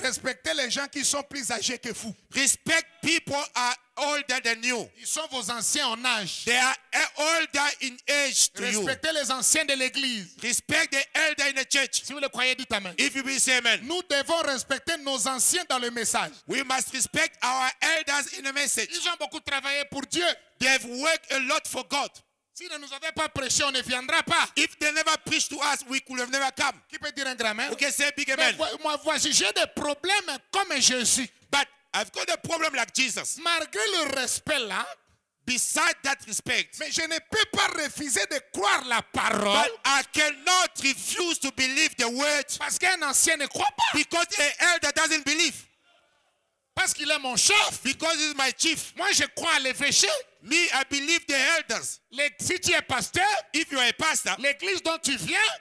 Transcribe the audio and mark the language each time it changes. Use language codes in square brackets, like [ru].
[fr] Respectez les gens qui sont plus âgés que vous. [en] Respect people are older than you. [fr] Ils sont vos anciens en âge. [en] They are older in age to [fr] respectez [en] you. [fr] Respectez les anciens de l'église. [en] Respect the elder in the church. [fr] Si vous le croyez, dites amen. [en] If you say amen. [fr] Nous devons respecter nos anciens dans le message. [en] We must respect our elders in the message. [fr] Ils ont beaucoup travaillé pour Dieu. [en] They've worked a lot for God. [fr] Si ne nous avaient pas prêché, on ne viendra pas. [en] If they never preached to us, we could have never come. [fr] Qui peut dire un grand amen? [en] Who can say big amen? [fr] Mais moi, voici, j'ai des problèmes comme Jésus. [en] But I've got a problem like Jesus. [fr] Malgré le respect là, [en] beside that respect, [fr] mais je ne peux pas refuser de croire la parole. [en] But I cannot refuse to believe the word. [fr] Parce qu'un ancien ne croit pas. [en] Because an elder doesn't believe. [fr] Parce qu'il est mon chef. [en] Because he's my chief. [fr] Moi, je crois à l'évêché. [en] Me, I believe the elders. [fr] Si tu es pasteur, [en] if you are a pastor, [fr] l'église dont tu viens,